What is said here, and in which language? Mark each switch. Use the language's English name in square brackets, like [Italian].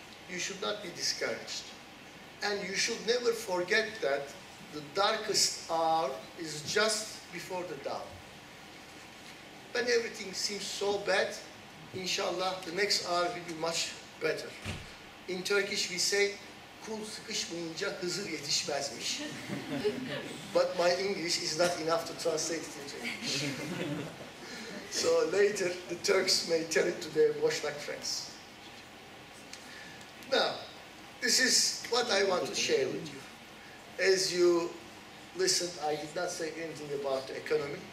[English] You should not be discouraged. And you should never forget that the darkest hour is just before the dawn. When everything seems so bad, inshallah, the next hour will be much better. In Turkish we say, [Turkish] kul sıkışmayınca hızır yetişmezmiş. [English] But my English is not enough to translate it into English. So later, the Turks may tell it to their Boşnak friends. Now, this is what I want to share with you. As you listen, I did not say anything about the economy.